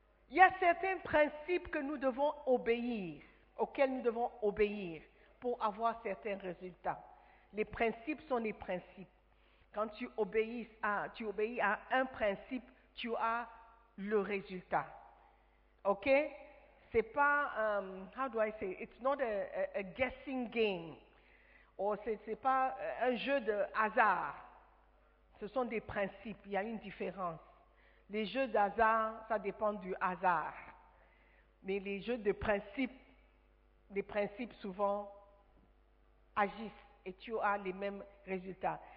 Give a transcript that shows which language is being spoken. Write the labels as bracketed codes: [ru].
[fr] Il y a certains principes que nous devons obéir, auxquels nous devons obéir pour avoir certains résultats. Les principes sont les principes. Quand tu obéis à un principe, tu as le résultat. OK? C'est pas, [en] it's not a guessing game. [fr] Or c'est pas un jeu de hasard. Ce sont des principes, il y a une différence. Les jeux d'hasard, ça dépend du hasard. Mais les jeux de principes, les principes souvent agissent et tu as les mêmes résultats.